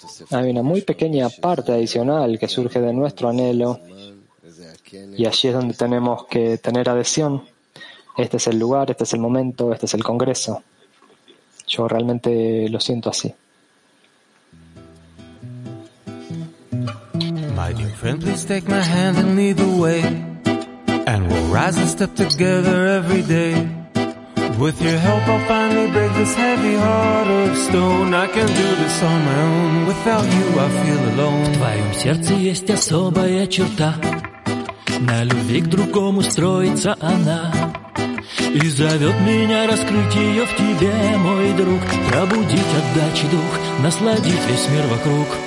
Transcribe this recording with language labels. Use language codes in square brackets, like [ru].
[es] Hay una muy pequeña parte adicional que surge de nuestro anhelo, y allí es donde tenemos que tener adhesión. Este es el lugar, este es el momento, este es el congreso. Yo realmente lo siento así. [en] My dear friend, please take my hand and lead the way. And we'll rise and step together every day. With your help I'll finally break this heavy heart of stone. I can do this on my own. Without you I feel alone. [ru] В твоем сердце есть особая черта. На любви к другому строится она. И зовет меня раскрыть ее в тебе, мой друг. Пробудить отдачи дух, насладить весь мир вокруг.